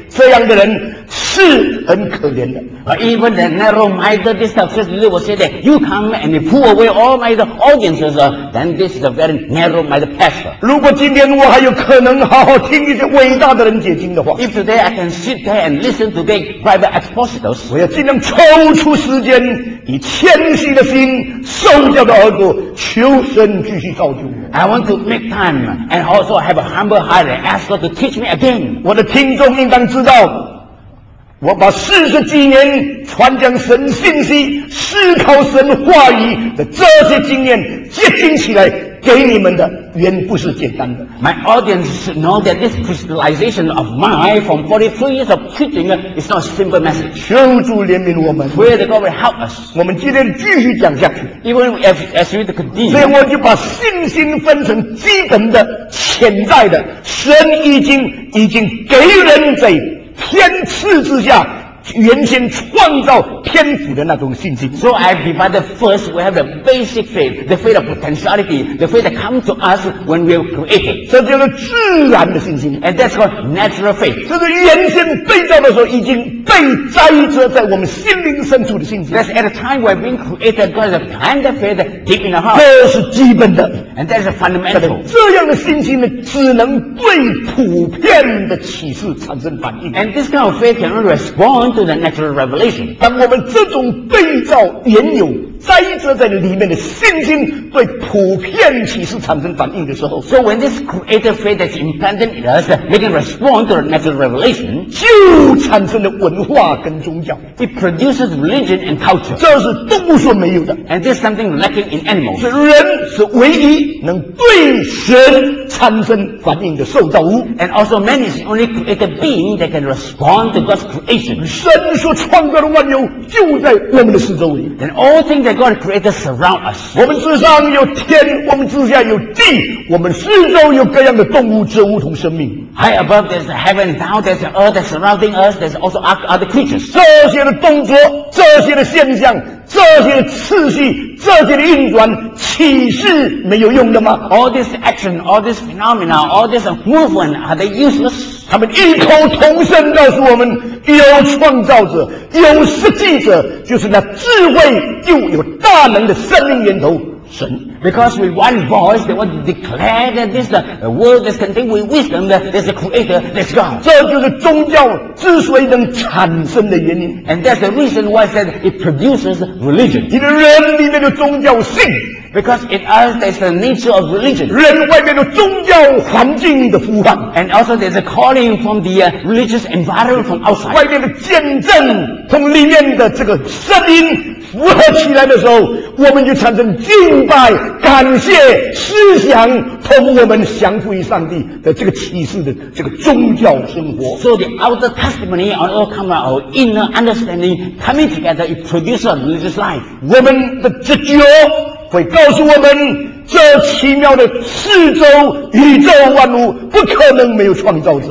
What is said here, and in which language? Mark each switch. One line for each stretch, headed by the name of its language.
Chinese: 这样的人是很可怜的。
English: Even the narrow-minded, this church leader will say that you come and you pull away all my audiences, then this is a very narrow-minded pastor.
Chinese: 如果今天我还有可能好好听一些伟大的人解经的话
English: ，If today I can sit there and listen to big private expositors,
Chinese: 我要尽量抽出时间，以谦虚的心、受教的耳朵，求神继续造就。
English: I want to make time and also have a humble heart and ask God to teach me again.
Chinese: 我的听众应当知道，我把四十几年传讲神信息、思考神话语的这些经验结晶起来给你们的，原不是简单的。
English: My audience should know that this crystallization of mine from 43 years of preaching is not a simple message.
Chinese: 求主怜悯我们。
English: Pray that God will help us.
Chinese: 我们今天继续讲下去。
English: Even if, as we continue.
Chinese: 所以我就把信心分成基本的、潜在的，神已经给人在天赐之下原先创造天赋的那种信心。
English: So I divide the first, we have the basic faith, the faith of potentiality, the faith that comes to us when we are created.
Chinese: 这叫做自然的信心。
English: And that's called natural faith.
Chinese: 这是原先被造的时候已经被栽植在我们心灵深处的信心。
English: That's at a time when we are being created, God has a kind of faith deep in our heart.
Chinese: 这是基本的。
English: And that's a fundamental.
Chinese: 这样的信心呢，只能对普遍的启示产生反应。
English: And this kind of faith cannot respond under the natural revelation.
Chinese: 当我们这种被造原有栽植在里面的信心对普遍启示产生反应的时候，
English: So when this creative faith that's implanted in us make it respond to the natural revelation,
Chinese: 就产生了文化跟宗教。
English: It produces religion and culture.
Chinese: 这是动物所没有的。
English: And there's something lacking in animals.
Chinese: 是人是唯一能对神产生反应的受造物。
English: And also man is the only created being that can respond to God's creation.
Chinese: 神所创造的万有就在我们的四周围。
English: And all thingsThat God created surround us.
Chinese: 我们之上有天，我们之下有地，我们四周有各样的动物、植物同生命。
English: High above there's the heaven, down there's the earth that's surrounding us. There's also other creatures.
Chinese: 这些的动作，这些的现象，这些的次序，这些的运转，岂是没有用的吗
English: ？All this action, all this phenomena, all this movement, are they useless?
Chinese: 他们异口同声告诉我们。有创造者，有实际者，就是那智慧又有大能的生命源头神。
English: Because with one voice, they want to declare that this the world is contained with wisdom, that there's a creator, there's God.
Chinese: 这就是宗教之所以能产生的原因。
English: And that's the reason why said it produces religion.
Chinese: 因为人里面的宗教性。
English: Because in us, there's the nature of religion.
Chinese: 人外面的宗教环境的呼唤。
English: And also there's a calling from the religious environment from outside.
Chinese: 外面的见证从里面的这个声音符合起来的时候，我们就产生敬拜、感谢、思想，同我们降服于上帝的这个启示的这个宗教生活。
English: So the outer testimony and all come out, our inner understanding coming together, it produces a religious life.
Chinese: 我们的直觉会告诉我们，这奇妙的四周宇宙万物不可能没有创造者。